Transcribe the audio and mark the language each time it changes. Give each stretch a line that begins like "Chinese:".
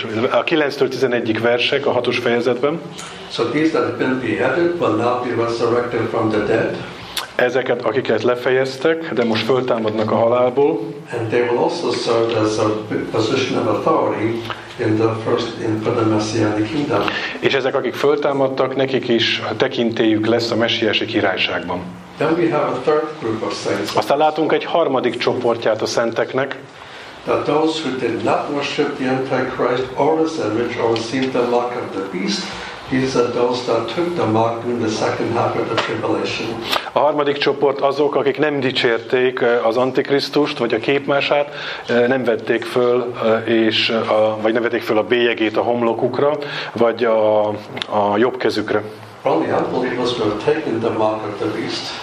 Hungarian: A 9-től 11-ig versek a 6-os fejezetben.
English: So these that have been beheaded will now be resurrected from the dead.
Hungarian: Ezeket, akiket lefejeztek, de most föltámadnak a halálból.
English: And they will also serve as a position of authority for the Messianic kingdom.
Hungarian: És ezek, akik föltámadtak, nekik is a tekintélyük lesz a messiási királyságban.
English: Then we have a third group of saints.
Hungarian: Aztán látunk egy harmadik csoportját a szenteknek.
English: That those who did not worship the Antichrist or his image or received the mark of the beast. These are those that took the mark during the second half of the tribulation.
Hungarian: A harmadik csoport azok, akik nem dicsérték az Antikrisztust vagy a képmását, nem vették föl és vagy nem vették föl a bélyegét a homlokukra vagy a jobb kezükre.
English: Only unbelievers will take the mark of the beast.